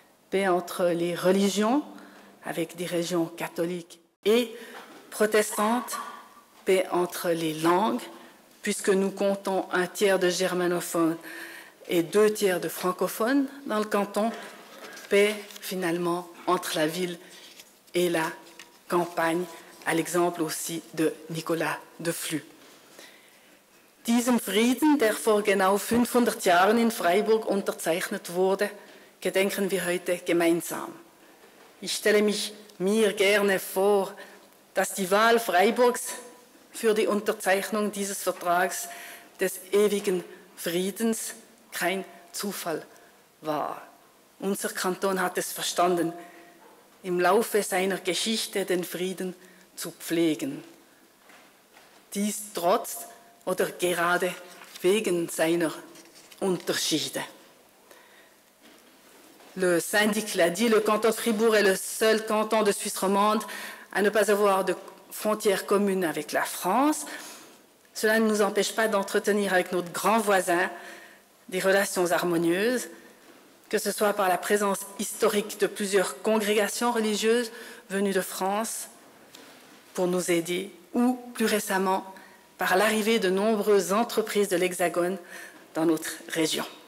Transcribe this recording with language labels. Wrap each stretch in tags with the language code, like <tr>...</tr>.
<fr>Paix entre les religions, avec des régions catholiques et protestantes, paix entre les langues, puisque nous comptons un tiers de germanophones et deux tiers de francophones dans le canton, paix finalement entre la ville et la campagne, à l'exemple aussi de Nicolas de Flux.</fr> <de>Diesem Frieden, der vor genau 500 Jahren in Freiburg unterzeichnet wurde, gedenken wir heute gemeinsam. Ich stelle mich mir gerne vor, dass die Wahl Freiburgs für die Unterzeichnung dieses Vertrags des ewigen Friedens kein Zufall war. Unser Kanton hat es verstanden, im Laufe seiner Geschichte den Frieden zu pflegen. Dies trotz oder gerade wegen seiner Unterschiede.</de> <fr>Le syndic l'a dit, le canton de Fribourg est le seul canton de Suisse romande à ne pas avoir de frontières communes avec la France. Cela ne nous empêche pas d'entretenir avec notre grand voisin des relations harmonieuses, que ce soit par la présence historique de plusieurs congrégations religieuses venues de France pour nous aider, ou plus récemment par l'arrivée de nombreuses entreprises de l'Hexagone dans notre région.</fr>